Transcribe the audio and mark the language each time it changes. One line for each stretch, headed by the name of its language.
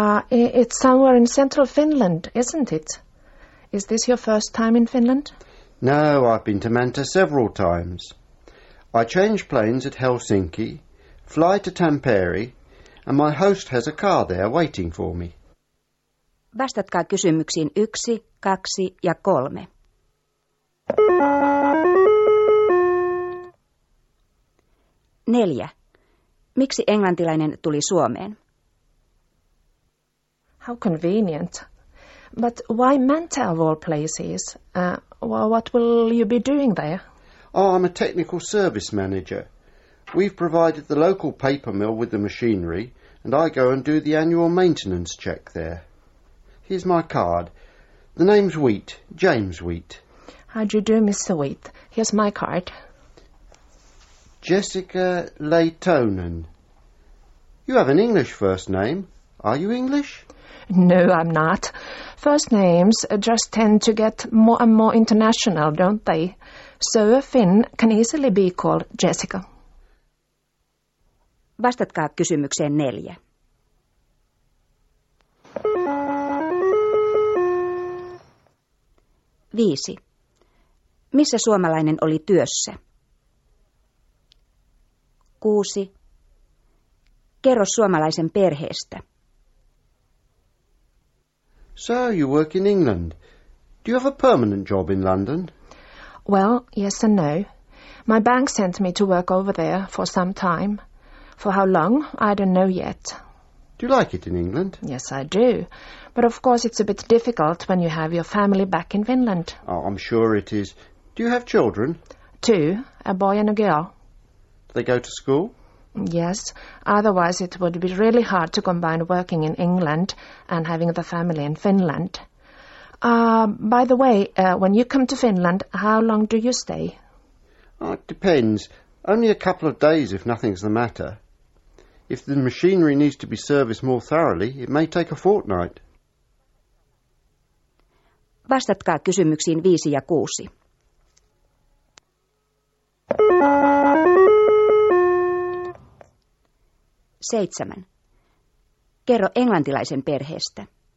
English: It's somewhere in central Finland, isn't it? Is this your first time in Finland? No, I've been to Manta several times. I change planes at Helsinki, fly to Tampere, and my host has a car there waiting for me.
Finnish: Vastatkaa kysymyksiin 1, 2 ja 3. Neljä. Miksi englantilainen tuli Suomeen?
English: How convenient. But why Manta of all places? What will you be doing there? Oh, I'm a technical service manager. We've provided the local paper mill with the machinery, and I go and do the annual maintenance check there. Here's my card. The name's Wheat, James Wheat. How do you do, Mr. Wheat? Here's my card. Jessica Leitonen. You have an English first name. Are you English? No, I'm not. First names just tend to get more and more international, don't they? So a Finn can easily be called Jessica.
Finnish: Vastatkaa kysymykseen 4. Viisi. Missä suomalainen oli työssä? 6. Kerro suomalaisen perheestä.
English: So, you work in England. Do you have a permanent job in London? Well, yes and no. My bank sent me to work over there for some time. For how long, I don't know yet. Do you like it in England? Yes, I do. But of course it's a bit difficult when you have your family back in Finland. Oh, I'm sure it is. Do you have children? 2, a boy and a girl. Do they go to school? Yes, otherwise it would be really hard to combine working in England and having the family in Finland. By the way, when you come to Finland, how long do you stay? Oh, it depends. Only a couple of days if nothing's the matter. If the machinery needs to be serviced more thoroughly, it may take a fortnight.
Finnish: Vastatkaa kysymyksiin 5 ja 6. Seitsemän. Kerro englantilaisen perheestä.